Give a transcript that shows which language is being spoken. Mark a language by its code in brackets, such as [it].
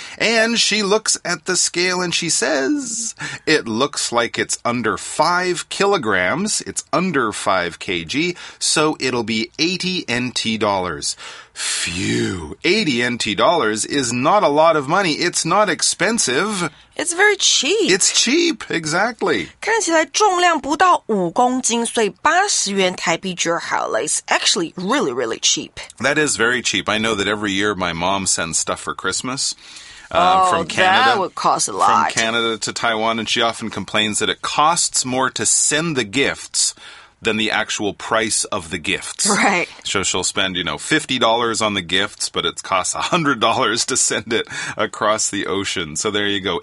[en] And she looks at the scale and she says, it looks like it's under 5 kilograms. It's under 5 kg. So it'll be 80 NT dollars. Phew. 80 NT dollars is not a lot of money. It's not expensive. It's very cheap. It's cheap. Exactly. [zh] 看起来重量不到5公斤，所以80元台币就好了。 [en] It's actually really, really cheap. That is very cheap. I know that every year my mom sends stuff for Christmas. From Canada, that would cost a lot. From Canada to Taiwan, and she often complains that it costs more to send the gifts than the actual price of the gifts. Right. So she'll spend, you know, $50 on the gifts, but it costs $100 to send it across the ocean. So there you go.